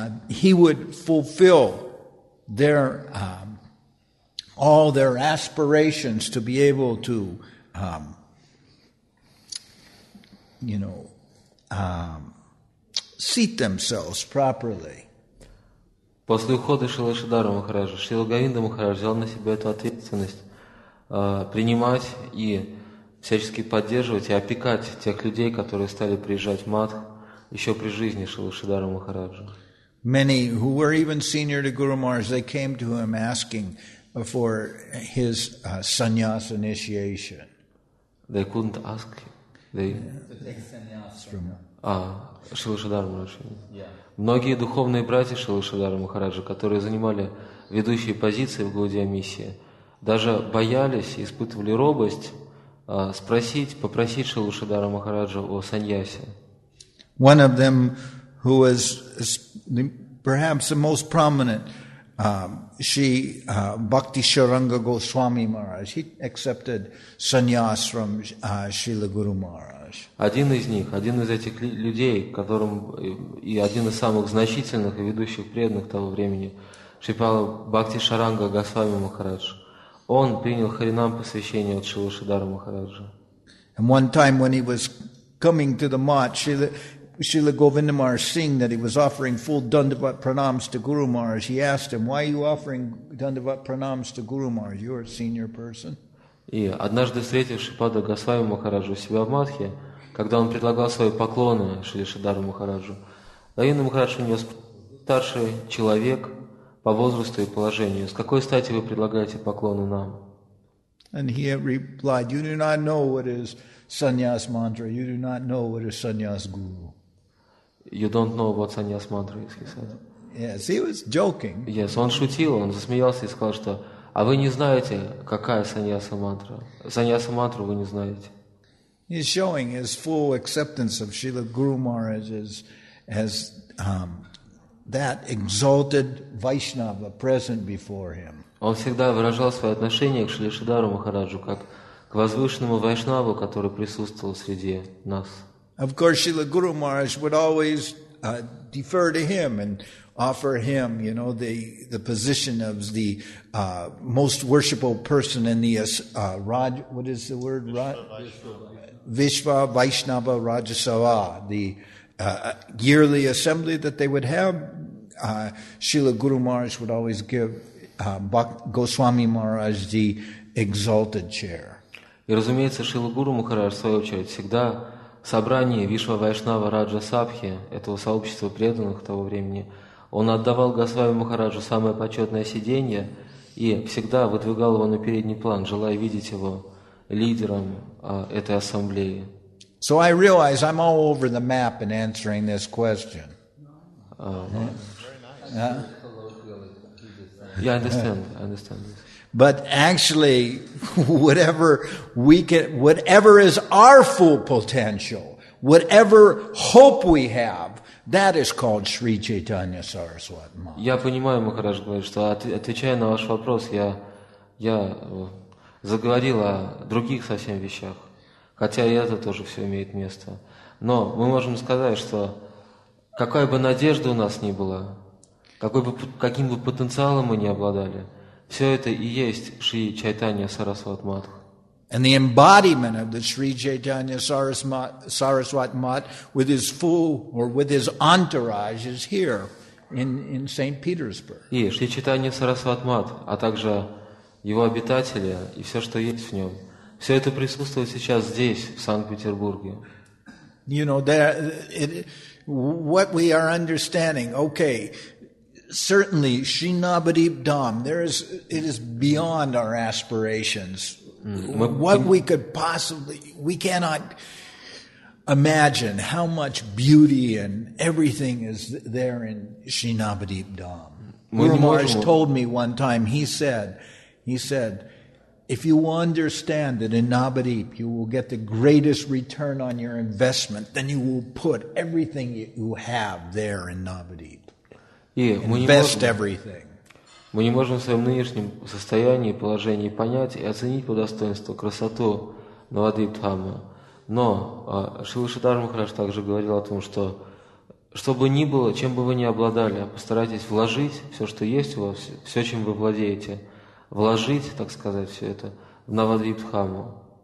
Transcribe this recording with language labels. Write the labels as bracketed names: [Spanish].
[English] he would fulfill their all their aspirations to be able to, seat themselves properly. [Russian] После ухода Шрилы Шридхара Махараджа, Шрила Говинда Махарадж взял на себя эту ответственность принимать и всячески поддерживать и опекать тех людей, которые стали приезжать в Матх еще при жизни Шрилы Шридхара Махараджа. [English] Many who were even senior to Guru Maharaj, they came to him asking for his sannyas initiation. They couldn't ask. They Шрилы Шридхара Махараджа. [Russian] Многие духовные братья Шрилы Шридхара Махараджа, которые занимали ведущие позиции в Гаудия Миссии, даже боялись, испытывали робость спросить, попросить Шрилу Шридхара Махараджа о саньясе. [English] One of them, who was perhaps the most prominent, Shri Bhakti Sharanga Goswami Maharaj, he accepted sannyas from Srila Guru Maharaj. [Russian] Один из них, один из этих людей, которым и один из самых значительных и ведущих преданных того времени, Шрипала Бхакти Шаранга Госвами Махарадж, он принял харинам посвящение от Шрилы Шридхара Махараджа. [English] And one time when he was coming to the mat, Srila Govinda Maharaj, seeing that he was offering full dandavat pranams to Guru Maharaj, he asked him, why are you offering dandavat pranams to Guru Maharaj? You're a senior person. [Russian] И однажды, встретив Шрипада Госвами Махараджа у себя в Матхе, когда он предлагал свои поклоны Шрили Шридхару Махараджу, Говинда Махарадж у него старший человек по возрасту и положению. С какой стати вы предлагаете поклоны нам? [English] And he replied, you do not know what is sannyas mantra, you do not know what is sannyas guru. You don't know what sannyas mantra is, he said. Yes, he was joking. Yes, [Russian] он шутил, он засмеялся и сказал, что а вы не знаете, какая саньяса-мантра? Саньяса-мантру вы не знаете. [English] He's showing his full acceptance of Srila Guru Maharaj as that exalted Vaishnava present before him. [Russian] Он всегда выражал свое отношение к Шриле Шридхару Махараджу как к возвышенному Вайшнаву, который присутствовал среди нас. [English] Of course, Srila Guru Maharaj would always defer to him and offer him, the position of the most worshipful person in the Raj. What is the word? Vishva Vaishnava Rajasava, the yearly assembly that they would have. Srila Guru Maharaj would always give Госвами Махарадж the exalted chair. [Russian] И разумеется, Шрила Гуру Махарадж в свою очередь всегда собрание Вишва Вайшнава Раджа Сабхи, этого сообщества преданных того времени, он отдавал Госвами Махараджу самое почетное сиденье и всегда выдвигал его на передний план, желая видеть его лидером этой ассамблеи. [English] So I realize I'm all over the map in answering this question. Yeah, I understand. But actually, whatever we can, whatever is our full potential, whatever hope we have, that is called Sri Chaitanya Saraswati Maharaj. [Russian] Я понимаю, Махарадж говорит, что отвечая на ваш вопрос, я заговорил о других совсем вещах, хотя и это тоже все имеет место. Но мы можем сказать, что какая бы надежда у нас ни была, каким бы потенциалом мы ни обладали, все это и есть Шри Чайтанья Сарасват Матх. [English] And the embodiment of the Sri Chaitanya Saraswat Math with his full or with his entourage is here in St. Petersburg. [Russian] И Шри Чайтанья Сарасват Матх, а также его обитатели и все, что есть в нем, все это присутствует сейчас здесь, в Санкт-Петербурге. [English] You know, there, what we are understanding, okay, certainly, Shinabadeep Dham, it is beyond our aspirations. What we could possibly, we cannot imagine how much beauty and everything is there in Shinabadeep Dham. Guru Maharaj told me one time, he said, if you understand that in Nabadeep you will get the greatest return on your investment, then you will put everything you have there in Nabadeep. Invest everything. [Russian] Мы не можем в своем нынешнем состоянии, положении понять и оценить по достоинству красоту Навадвип Дхамы. Но Шрила Шридхара Махарадж также говорил о том, что бы ни было, чем бы вы ни обладали, постарайтесь вложить все, что есть у вас, все, чем вы владеете, вложить, так сказать, все это в Навадвип Дхаму.